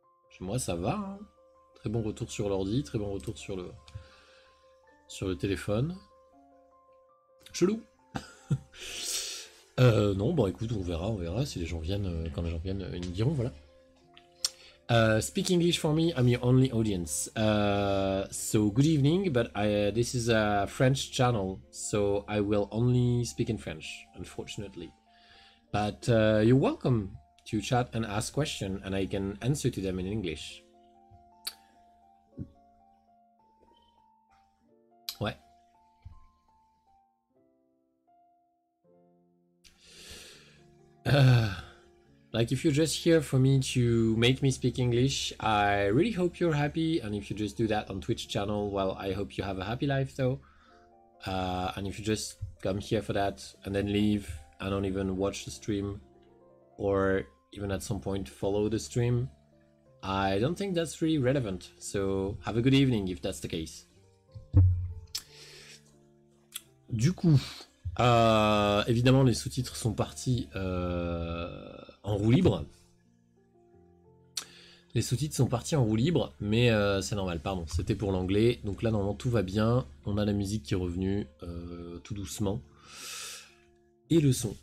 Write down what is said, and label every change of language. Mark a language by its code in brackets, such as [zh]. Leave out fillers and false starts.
[fr] Chez moi ça va. Hein. Très bon retour sur l'ordi, très bon retour sur le... Sur le téléphone. Chelou. Non, bon écoute, on verra. Si les gens viennent, quand les gens viennent, ils nous diront, voilà. [en] Speak English for me, I'm your only audience. So, good evening, but this is a French channel, so I will only speak in French, unfortunately. But you're welcome to chat and ask questions, and I can answer to them in English. Like if you're just here for me to make me speak English, I really hope you're happy. And if you just do that on Twitch channel, well, I hope you have a happy life though. And if you just come here for that and then leave and don't even watch the stream or even at some point follow the stream, I don't think that's really relevant. So have a good evening if that's the case. [fr] Du coup... évidemment, les sous-titres sont partis en roue libre. Les sous-titres sont partis en roue libre, mais c'est normal, pardon, c'était pour l'anglais. Donc là, normalement, tout va bien. On a la musique qui est revenue tout doucement. Et le son.